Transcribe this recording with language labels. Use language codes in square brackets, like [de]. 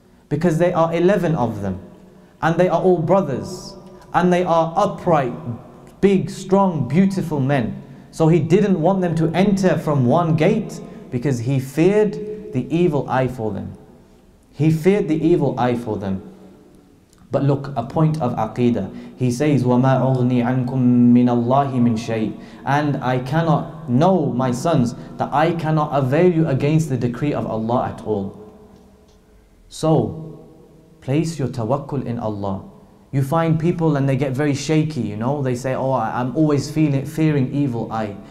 [en] Because there are 11 of them, and they are all brothers, and they are upright, big, strong, beautiful men. So he didn't want them to enter from one gate, because he feared the evil eye for them. He feared the evil eye for them. But look, a point of aqidah. [ar] He says, وَمَا أُغْنِي عَنْكُم مِّنَ اللَّهِ مِنْ شَيْءٍ. [en] And I cannot know, my sons, that I cannot avail you against the decree of Allah at all. So, place your tawakkul in Allah. You find people and they get very shaky, you know. They say, oh, I'm always fearing evil eye.